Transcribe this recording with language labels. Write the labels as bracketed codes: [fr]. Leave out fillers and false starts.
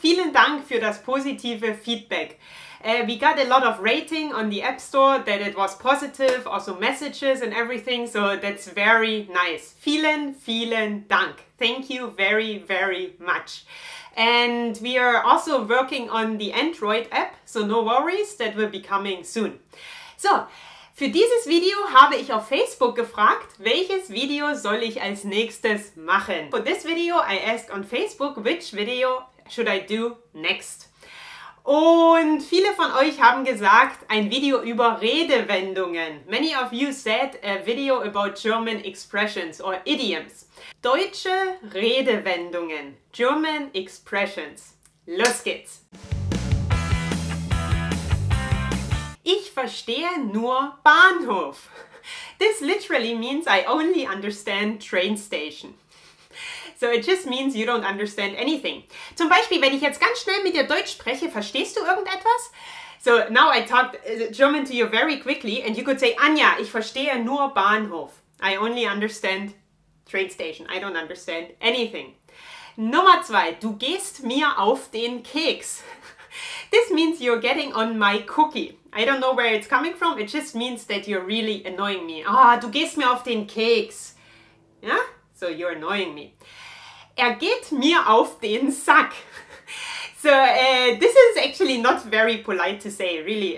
[de] Vielen Dank für das positive Feedback. [en] We got a lot of rating on the App Store that it was positive, also messages and everything, so that's very nice. [de] Vielen, vielen Dank. [en] Thank you very, very much. And we are also working on the Android app, so no worries, that will be coming soon. [de] So, für dieses Video habe ich auf Facebook gefragt, welches Video soll ich als nächstes machen? [en] For this video, I asked on Facebook, which video should I do next? [de] Und viele von euch haben gesagt, ein Video über Redewendungen. [en] Many of you said a video about German expressions or idioms. [de] Deutsche Redewendungen. [en] German expressions. [de] Los geht's! Ich verstehe nur Bahnhof. [en] This literally means I only understand train station. So it just means you don't understand anything. [de] Zum Beispiel, wenn ich jetzt ganz schnell mit dir Deutsch spreche, verstehst du irgendetwas? [en] So now I talked German to you very quickly and you could say, Anja, [de] ich verstehe nur Bahnhof. [en] I only understand train station. I don't understand anything. [de] Nummer zwei, du gehst mir auf den Keks. [en] This means you're getting on my cookie. I don't know where it's coming from. It just means that you're really annoying me. [de] Ah, du gehst mir auf den Keks. Ja? [en] So you're annoying me. [de] Er geht mir auf den Sack. [en] So this is actually not very polite to say, really.